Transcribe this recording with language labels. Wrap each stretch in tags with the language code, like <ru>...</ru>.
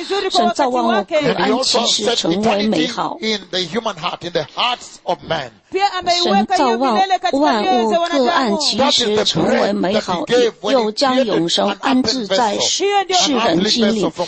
<zh>神造万物，安息时成为美好。</zh> <en>In the human heart, in the hearts of men.</en> <zh>神造万物，各按其时成为美好，又将永生安置在世人心里。</zh>